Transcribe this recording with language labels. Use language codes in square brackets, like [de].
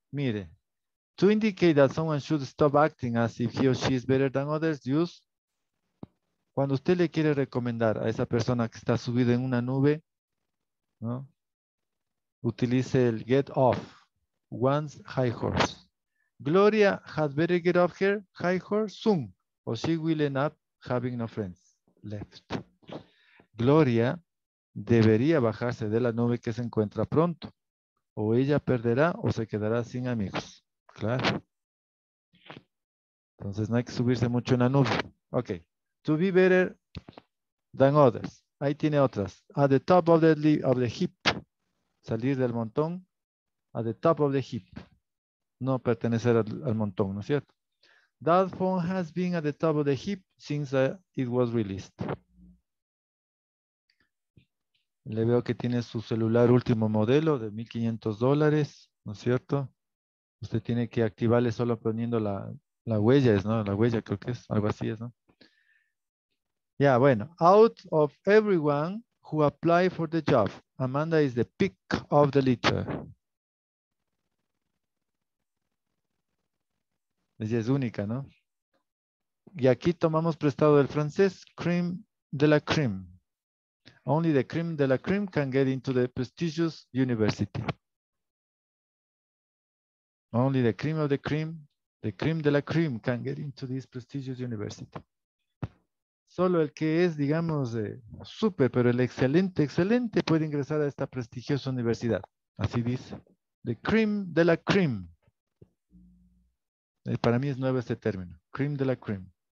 [en] Mire, to indicate that someone should stop acting as if he or she is better than others, use. [es] Cuando usted le quiere recomendar a esa persona que está subida en una nube, ¿no? Utilice el [en] get off. One's high horse. Gloria had better get off her high horse soon, or she will end up having no friends left. [es] Gloria debería bajarse de la nube que se encuentra pronto, o ella perderá o se quedará sin amigos. Claro. Entonces no hay que subirse mucho en la nube. [en] Ok. To be better than others. [es] Ahí tiene otras. [en] At the top of the heap. [es] Salir del montón. [en] At the top of the heap. [es] No pertenecer al montón, ¿no es cierto? [en] That phone has been at the top of the heap since it was released. [es] Le veo que tiene su celular último modelo de $1,500, ¿no es cierto? Usted tiene que activarle solo poniendo la huella, es, ¿no? La huella creo que es, algo así es, ¿no? Yeah, bueno. [en] Out of everyone who applied for the job, Amanda is the pick of the litter. [es] Ella es única, ¿no? Y aquí tomamos prestado del francés, crème de la crème. [en] Only the crème de la crème can get into the prestigious university. Only the crème of the crème, the crème de la crème can get into this prestigious university. [es] Solo el que es, digamos, súper, pero el excelente, excelente puede ingresar a esta prestigiosa universidad. Así dice. The cream de la cream. Para mí es nuevo este término. Cream de la cream.